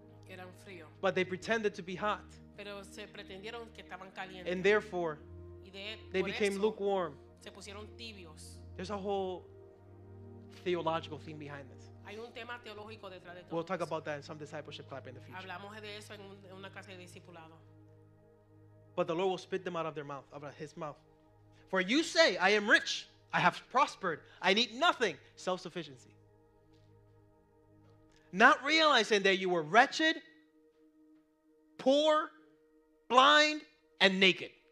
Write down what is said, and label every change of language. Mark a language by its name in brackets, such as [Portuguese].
[Spanish] Eran frío. [English] But they pretended to be hot. [Spanish] Pero se pretendieron que estaban calientes. [English] And therefore, [Spanish] y de, [English] they became [Spanish] eso, [English] lukewarm. [Spanish] Se pusieron tibios. [English] There's a whole theological theme behind this. [Spanish] Hay un tema teológico detrás de todo. [English] We'll talk about that in some discipleship clip in the future. [Spanish] Hablamos de eso en una clase de discipulado. [English] But the Lord will spit them out of their mouth, out of his mouth. For you say, I am rich. I have prospered. I need nothing. Self-sufficiency. Not realizing that you were wretched, poor, blind, and naked.